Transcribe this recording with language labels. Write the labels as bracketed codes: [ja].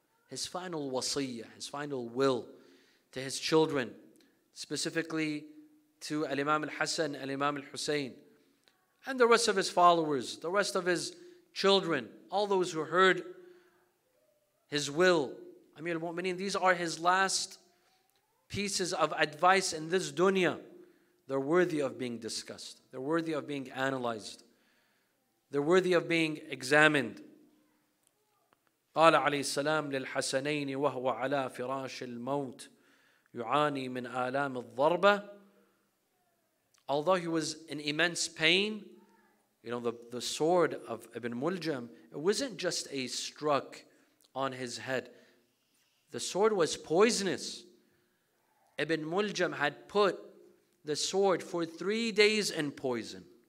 [en] His final wasiyah, his final will, to his children, specifically to Al-Imam Al-Hassan, Al-Imam Al-Hussein, and the rest of his followers, the rest of his children, all those who heard his will. Amir al-Mu'mineen, these are his last pieces of advice in this dunya. They're worthy of being discussed. They're worthy of being analyzed. They're worthy of being examined. [ar] قال عليه السلام للحسنين وهو على فراش الموت يعاني من آلام الضربة. [en] Although he was in immense pain, you know, the sword of Ibn Muljam, it wasn't just a struck on his head. The sword was poisonous. Ibn Muljam had put the sword for 3 days in poison.